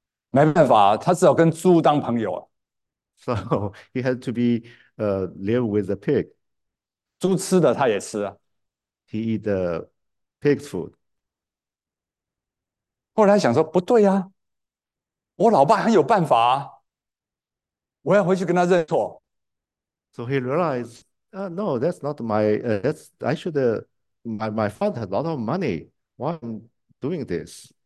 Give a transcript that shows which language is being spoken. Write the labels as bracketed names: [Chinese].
[Chinese] 没办法，他只好跟猪当朋友。 [English] So he had to be live with a pig. [Chinese] 猪吃的他也吃。 [English] He eat the pig's food. [Chinese] 后来想说不对呀、啊，我老爸很有办法，我要回去跟他认错。 [English] So he realized. No, that's not my. That's I should. My father had a lot of money. Why I'm doing this?